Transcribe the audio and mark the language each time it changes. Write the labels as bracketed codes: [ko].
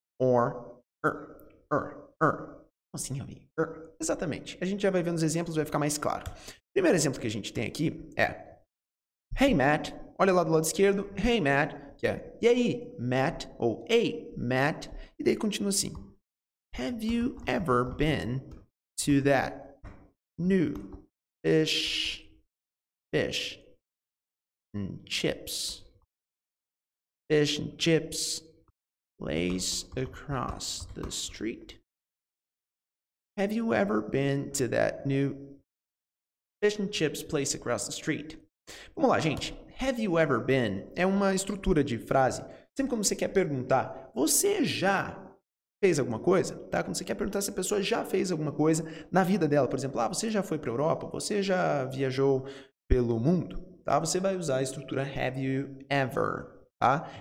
[pt] Or, er. Er, er. Como assim, amigo? Er. Exatamente. A gente já vai ver nos exemplos, vai ficar mais claro. Primeiro exemplo que a gente tem aqui é [en] Hey, Matt. [pt] Olha lá do lado esquerdo, hey Matt, que é e aí, Matt, ou hey, Matt, e daí continua assim. [en] Have you ever been to that new fish and chips? Fish and chips lays across the street. Have you ever been to that new fish and chips place across the street? [pt] Vamos lá, gente. [en] Have you ever been? [pt] É uma estrutura de frase. Sempre quando você quer perguntar, você já fez alguma coisa? Tá? Quando você quer perguntar se a pessoa já fez alguma coisa na vida dela. Por exemplo, ah, você já foi para a Europa? Você já viajou pelo mundo? Tá? Você vai usar a estrutura have you ever. Tá?